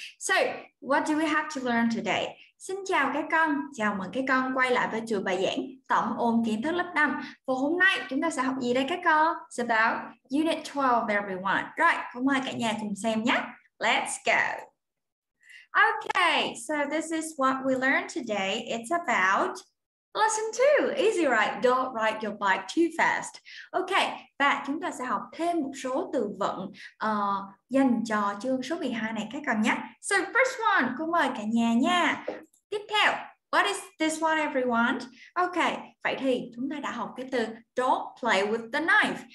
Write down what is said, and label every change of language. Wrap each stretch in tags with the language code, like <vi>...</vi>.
<en>So, what do we have to learn today?</en> <vi>Xin chào các con, chào mừng các con quay lại với chuỗi bài giảng tổng ôn kiến thức lớp 5. Và hôm nay chúng ta sẽ học gì đây các con?</vi> <en>It's about Unit 12 everyone. Right,</en> <vi>hôm nay cả nhà cùng xem nhé.</vi> <en>Let's go. Okay, so this is what we learned today. It's about Lesson 2, easy right, don't ride your bike too fast.</en> <vi>Ok, và chúng ta sẽ học thêm một số từ vựng dành cho chương số 12 này các con nhé.</vi> <en>So first one,</en> <vi>cô mời cả nhà nha. Tiếp theo,</vi> <en>what is this one everyone?</en> <vi>Ok, vậy thì chúng ta đã học cái từ</vi> <en>don't play with the knife.</en>